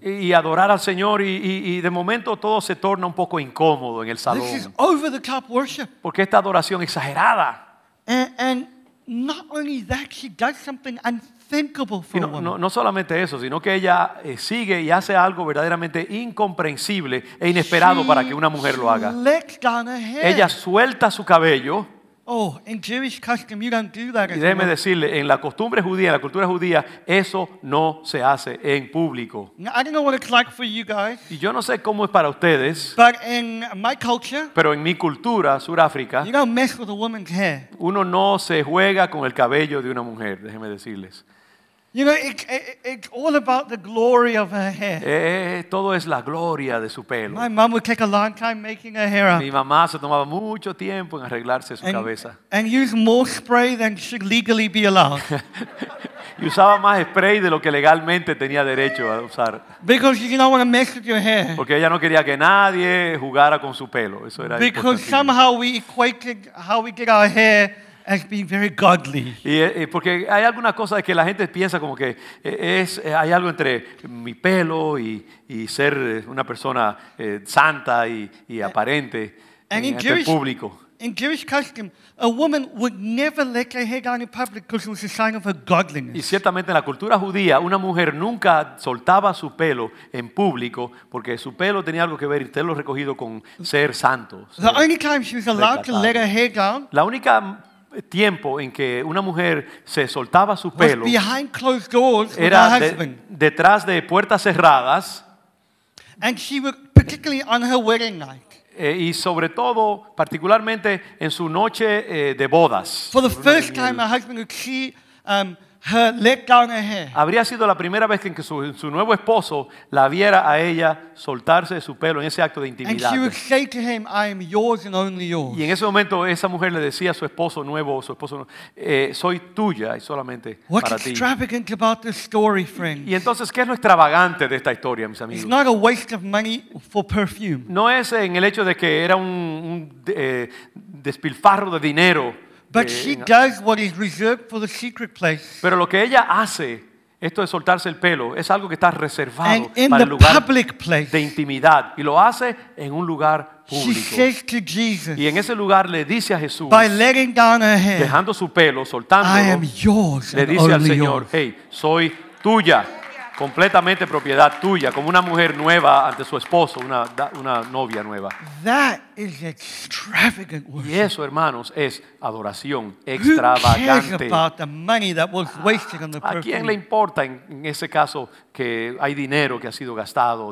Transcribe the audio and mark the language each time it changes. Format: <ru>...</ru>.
<es>Y adorar al Señor y de momento todo se torna un poco incómodo en el salón.</es> <en>This is over the top worship.</en> <es>Porque esta adoración exagerada.</es> <en>And not only that, she does something unthinkable for a woman.</en> <es>No solamente eso, sino que ella sigue y hace algo verdaderamente incomprensible e inesperado</es> <en>she</en> <es>para que una mujer lo haga.</es> <en>Lets down her hair.</en> <es>Ella suelta su cabello.</es> <en>Oh, in Jewish custom, you don't do that.</en> <es>Y déjeme decirle, en la costumbre judía, en la cultura judía, eso no se hace en público.</es> <en>Now, I don't know what it's like for you guys.</en> <es>Y yo no sé cómo es para ustedes.</es> <en>But in my culture,</en> <es>pero en mi cultura, Suráfrica,</es> <en>you don't mess with a woman's hair.</en> <es>Uno no se juega con el cabello de una mujer, déjeme decirles.</es> <en>You know, it's all about the glory of her hair.</en> <es>Todo es la gloria de su pelo.</es> <en>My mom would take a long time making her hair up.</en> <es>Mi mamá se tomaba mucho tiempo en arreglarse su cabeza.</es> <en>And use more spray than should legally be allowed.</en> <es>Y usaba más spray de lo que legalmente tenía derecho a usar.</es> <en>Because you don't want to mess with your hair.</en> <es>Porque ella no quería que nadie jugara con su pelo. Eso era.</es> <en>Because somehow we equated how we get our hair. As being very godly.</en> <es>Y porque hay alguna cosa que la gente piensa como que es hay algo entre mi pelo y ser una persona santa y aparente en el público.</es> <en>in Jewish custom, a woman would never let her hair down in public because it was a sign of her godliness.</en> <es>Y ciertamente en la cultura judía, una mujer nunca soltaba su pelo en público porque su pelo tenía algo que ver y tenerlo recogido con ser santo.</es> <en>The only time she was allowed to let her hair down.</en> <es>La única tiempo en que una mujer se soltaba su pelo</es> <en>was behind closed doors</en> <es>era</es> <en>with her husband.</en> <es>Detrás de puertas cerradas.</es> <en>And she would, particularly on her wedding night.</en> <es>Y sobre todo, particularmente en su noche de bodas.</es> <en>For the first time, her husband would see her let down her hair.</en> <es>Habría sido la primera vez que su nuevo esposo la viera a ella soltarse su pelo en ese acto de intimidad.</es> <en>And she would say to him, "I am yours and only yours."</en> <es>Y en ese momento, esa mujer le decía a su esposo nuevo, "Soy tuya y solamente</es> <en>What's</en> <es>para ti."</es> <en>What's extravagant about this story, friends?</en> <es>Y entonces, ¿qué es lo extravagante de esta historia, mis amigos?</es> <en>It's not a waste of money for perfume.</en> <es>No es en el hecho de que era un despilfarro de dinero.</es> <en>But she does what is reserved for the secret place.</en> <es>Pero lo que ella hace, esto de soltarse el pelo, es algo que está reservado para el lugar</es> <en>public place,</en> <es>de intimidad, y lo hace en un lugar público.</es> <en>She says to Jesus,</en> <es>y en ese lugar le dice a Jesús,</es> <en>by letting down her hair,</en> <es>dejando su pelo, soltándolo,</es> <en>I am yours,</en> <es>le dice</es> <en>and only</en> <es>al Señor,</es> <en>yours.</en> <es>Hey, soy tuya, completamente propiedad tuya, como una mujer nueva ante su esposo, una novia nueva.</es> <en>That is extravagant worship.</en> <es>Y eso, hermanos, es adoración extravagante.</es> <en>Who cares about the money that was wasted on the perfume?</en> <es>¿A quién le importa en ese caso que hay dinero que ha sido gastado o</es>